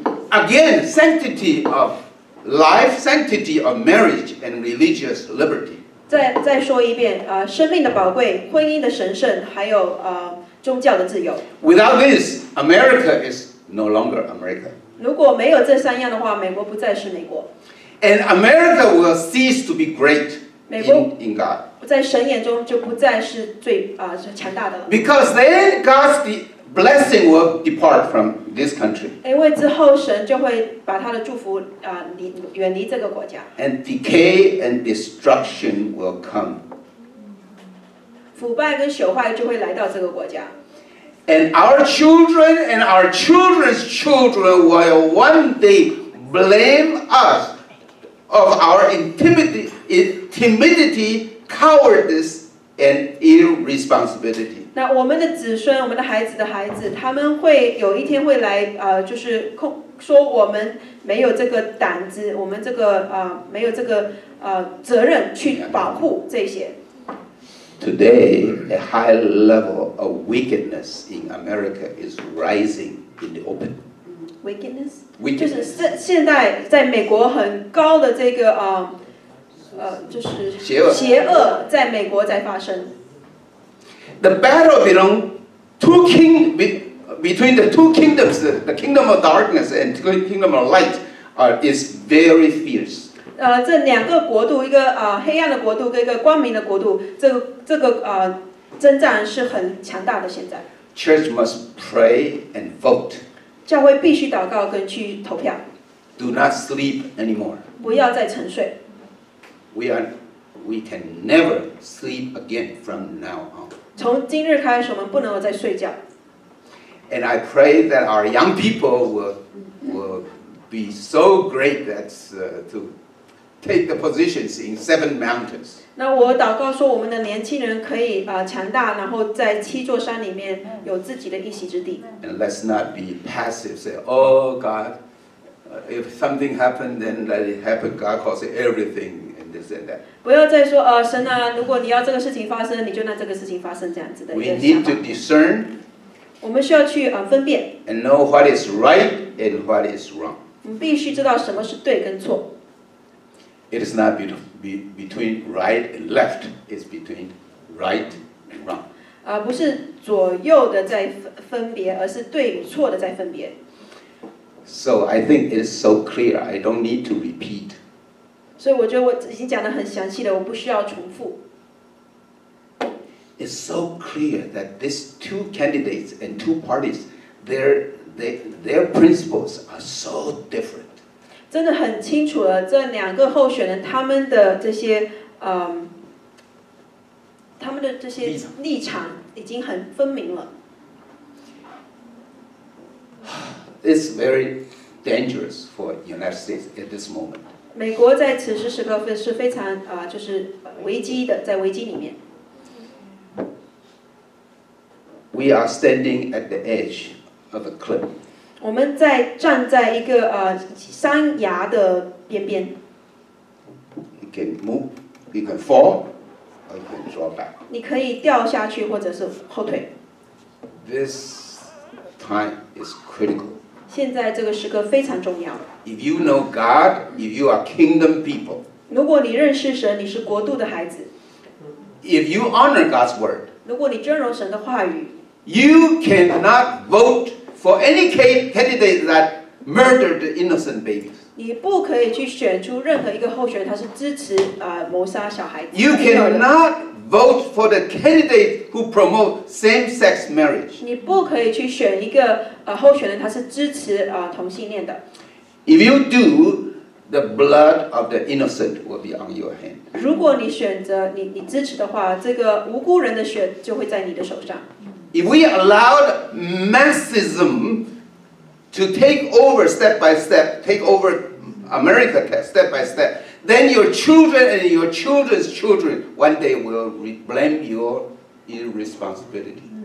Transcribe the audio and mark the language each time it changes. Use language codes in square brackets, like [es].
[en] Again, sanctity of life, sanctity of marriage, and religious liberty. [zh] 再说一遍，生命的宝贵，婚姻的神圣，还有宗教的自由。 [en] Without this, America is no longer America. [zh] 如果没有这三样的话，美国不再是美国。 [en] And America will cease to be great. In God. [zh] 在神眼中就不再是最强大的了。 [en] Because then God's blessing will depart from this country. [zh] 因为之后神就会把他的祝福远离这个国家。 [en] And decay and destruction will come. [zh] 腐败跟朽坏就会来到这个国家。 [en] And our children and our children's children will one day blame us of our timidity, cowardice, and irresponsibility. [zh] 那我们的子孙，我们的孩子的孩子，他们会有一天会来，就是说我们没有这个胆子，我们这个没有这个责任去保护这些。 [en] Today, a high level of wickedness in America is rising in the open. Wickedness? Wickedness. [zh] 就是现在在美国很高的这个就是邪恶在美国在发生。 [en] The battle between the two kingdoms, the kingdom of darkness and the kingdom of light, is very fierce. [zh] 这两个国度，一个黑暗的国度跟一个光明的国度，这个征战是很强大的。现在 [en] ，Church must pray and vote. [zh] 教会必须祷告跟去投票。 [en] Do not sleep anymore. [zh] 不要再沉睡。 [en] We can never sleep again from now on. [zh] 从今日开始，我们不能够再睡觉。 [en] And I pray that our young people will be so great that to take the positions in seven mountains. [zh] 那我祷告说，我们的年轻人可以强大，然后在七座山里面有自己的一席之地。 [en] And let's not be passive. Say, Oh God, if something happened, then let it happen. God causes everything. this and that. [zh] 不要再说呃神啊，如果你要这个事情发生，你就让这个事情发生这样子的。 [en] We need to discern. [zh] 我们需要去呃分辨。 [en] And know what is right and what is wrong. [zh] 我们必须知道什么是对跟错。 [en] It is not between right and left. It's between right and wrong. [zh] 啊，不是左右的在分别，而是对与错的在分别。 [en] So I think it's so clear. I don't need to repeat. [zh] 所以我觉得我已经讲得很详细了，我不需要重复。 [en] It's so clear that these two candidates and two parties, their principles are so different. [zh] 真的很清楚了，这两个候选人他们的这些他们的这些立场已经很分明了。 [en] It's very dangerous for United States at this moment. [zh] 美国在此时此刻是非常就是危机的，在危机里面。 [en] We are standing at the edge of a cliff. [zh] 我们在站在一个山崖的边边。 [en] You can move, you can fall, or you can draw back. [zh] 你可以掉下去或者是后退。 [en] This time is critical. [zh] 现在这个时刻非常重要。 [en] If you know God, if you are kingdom people, [zh] 如果你认识神，你是国度的孩子。 [en] If you honor God's word, [zh] 如果你尊荣神的话语。 [en] You cannot vote for any candidate that murdered innocent babies. [zh] 你不可以去选出任何一个候选人，他是支持谋杀小孩子。 [en] You cannot vote for the candidate who promote same-sex marriage. [zh] 你不可以去选一个候选人，他是支持同性恋的。 [en] If you do, the blood of the innocent will be on your hand. [zh] 如果你选择你支持的话，这个无辜人的血就会在你的手上。 [en] If we allow Marxism to take over step by step, take over America step by step, then your children and your children's children one day will blame your irresponsibility.